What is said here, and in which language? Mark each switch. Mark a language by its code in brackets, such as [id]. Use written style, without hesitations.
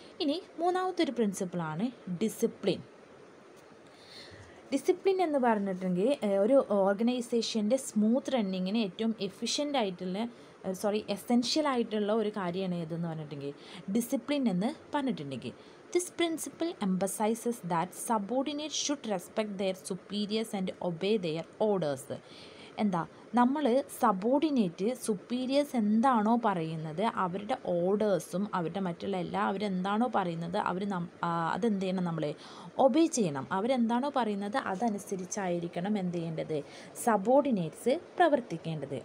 [ml] ഇനി മൂന്നാമത്തൊരു പ്രിൻസിപ്പിളാണ് discipline. Discipline എന്ന് പറഞ്ഞിട്ടുണ്ടെങ്കിൽ ഒരു ഓർഗനൈസേഷൻ്റെ സ്മൂത്ത് റണ്ണിങ്ങിന് ഏറ്റവും എഫിഷ്യൻ്റ് ആയിട്ടുള്ള, സോറി, എസെൻഷ്യൽ ആയിട്ടുള്ള ഒരു കാര്യമാണ് ഏതെന്ന് പറഞ്ഞിട്ടുണ്ടെങ്കിൽ ഡിസിപ്ലിൻ എന്ന് പറഞ്ഞിട്ടുണ്ടെങ്കിൽ. [en] This principle emphasizes that subordinates should respect their superiors and obey their orders. [ml] എന്താ, നമ്മൾ സബോർഡിനേറ്റ് സുപ്പീരിയേഴ്സ് എന്താണോ പറയുന്നത് അവരുടെ ഓർഡേഴ്സും അവരുടെ മറ്റുള്ള എല്ലാ അവരെന്താണോ പറയുന്നത് അവർ അതെന്ത് ചെയ്യണം, നമ്മൾ ഒബേ ചെയ്യണം. അവരെന്താണോ പറയുന്നത് അതനുസരിച്ചായിരിക്കണം എന്ത് ചെയ്യേണ്ടത്, സബോർഡിനേറ്റ്സ് പ്രവർത്തിക്കേണ്ടത്.